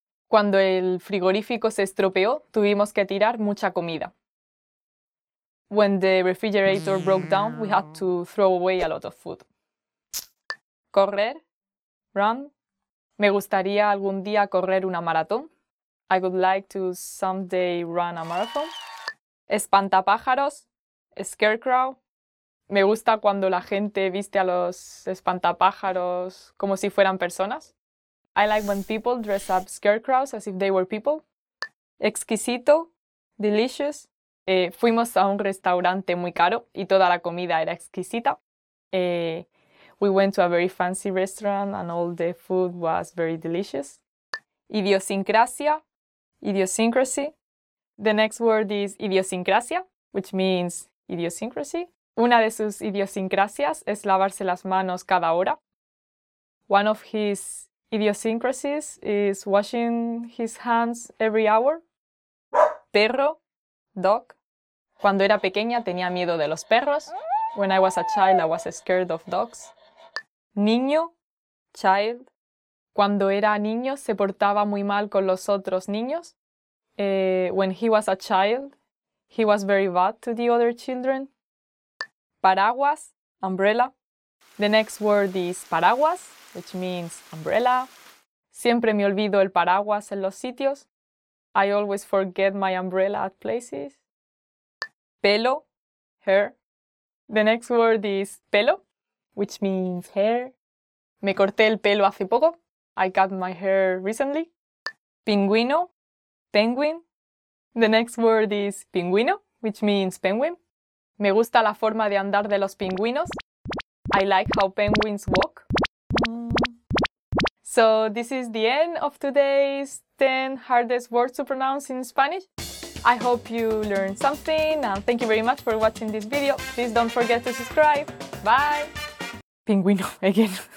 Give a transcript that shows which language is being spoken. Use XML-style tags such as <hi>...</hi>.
<es>Cuando el frigorífico se estropeó, tuvimos que tirar mucha comida.</es> <en>When the refrigerator broke down, we had to throw away a lot of food.</en> <es>Correr, run. Me gustaría algún día correr una maratón.</es> <en>I would like to someday run a marathon.</en> <es>Espantapájaros, scarecrow. Me gusta cuando la gente viste a los espantapájaros como si fueran personas.</es> <en>I like when people dress up scarecrows as if they were people.</en> <es>Exquisito, delicious. Fuimos a un restaurante muy caro y toda la comida era exquisita.</es> <en>We went to a very fancy restaurant and all the food was very delicious.</en> <es>Idiosincrasia, idiosyncrasy.</es> <en>The next word is idiosincrasia, which means idiosyncrasy.</en> <es>Una de sus idiosincrasias es lavarse las manos cada hora.</es> <en>One of his idiosyncrasies is washing his hands every hour.</en> <es>Perro, dog. Cuando era pequeña tenía miedo de los perros.</es> <en>When I was a child, I was scared of dogs.</en> <es>Niño, child. Cuando era niño, se portaba muy mal con los otros niños.</es> <en>When he was a child, he was very bad to the other children.</en> <es>Paraguas, umbrella.</es> <en>The next word is paraguas, which means umbrella.</en> <es>Siempre me olvido el paraguas en los sitios.</es> <en>I always forget my umbrella at places.</en> <es>Pelo, hair.</es> <en>The next word is pelo, which means hair.</en> <es>Me corté el pelo hace poco.</es> <en>I cut my hair recently.</en> <es>Pingüino, penguin.</es> <en>The next word is pingüino, which means penguin.</en> <es>Me gusta la forma de andar de los pingüinos.</es> <en>I like how penguins walk. So this is the end of today's 10 hardest words to pronounce in Spanish. I hope you learned something and thank you very much for watching this video. Please don't forget to subscribe. Bye! Pingüino again.</en>